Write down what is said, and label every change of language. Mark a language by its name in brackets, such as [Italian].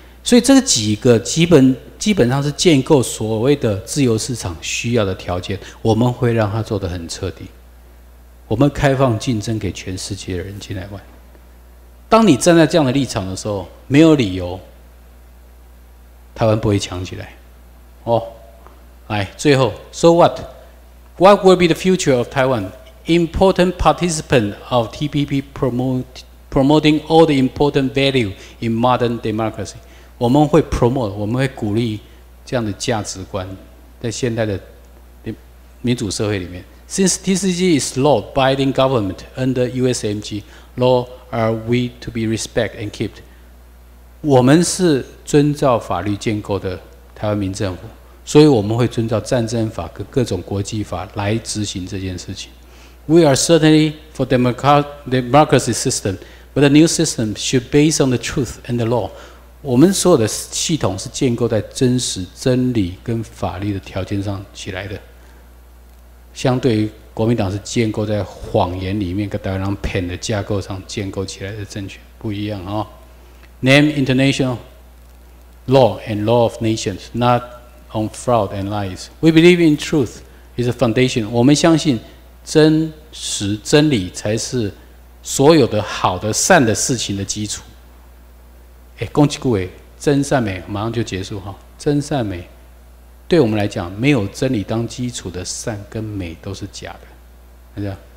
[Chinese] 所以这几个基本上是建构所谓的自由市场需要的条件，我们会让它做得很彻底，我们开放竞争给全世界的人进来玩。当你站在这样的立场的时候，没有理由台湾不会强起来，哦，来最后 ， [English] so what? What will be the future of Taiwan? Important participant of TPP promoting all the important value in modern democracy. [Chinese] 我们会 [English] promote， [Chinese] 我们会鼓励这样的价值观在现代的民主社会里面。 [English] Since TCG is law binding government under USMG, law are we to be respected and kept? [Chinese] 我们是遵照法律建构的台湾民政府，所以我们会遵照战争法跟各种国际法来执行这件事情。 [English] We are certainly for democracy system, but the new system should base on the truth and the law. [Chinese] 我们所有的系统是建构在真实真理跟法律的条件上起来的，相对于国民党是建构在谎言里面跟台湾人骗的架构上建构起来的政权，不一样哦。 [English] Name international law and law of nations, not on fraud and lies. We believe in truth is a foundation. [Chinese] 我们相信真实真理才是所有的好的善的事情的基础。说一句真善美马上就结束哈。真善美对我们来讲，没有真理当基础的善跟美都是假的，是这样。